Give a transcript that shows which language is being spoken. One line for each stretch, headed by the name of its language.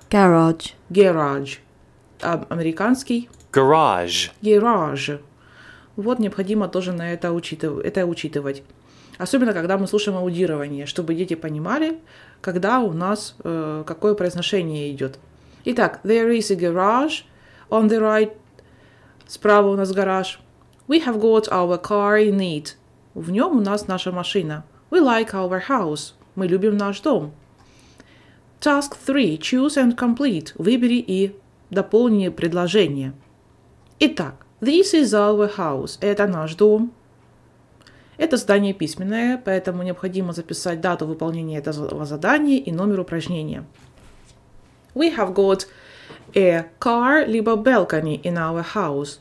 English: garage.
Russian: Garage. А американский?
English: Garage. Garage.
Russian: Вот необходимо тоже на это учитывать. Особенно, когда мы слушаем аудирование, чтобы дети понимали, когда у нас какое произношение идет.
English: Итак, there is a garage on the right.
Russian: Справа у нас гараж.
English: We have got our car in it.
Russian: В нем у нас наша машина.
English: We like our house.
Russian: Мы любим наш дом.
English: Task 3. Choose and complete.
Russian: Выбери и дополни предложение. Итак,
English: this is our house.
Russian: Это наш дом. Это задание письменное, поэтому необходимо записать дату выполнения этого задания и номер упражнения.
English: We have got a car, либо balcony in our house.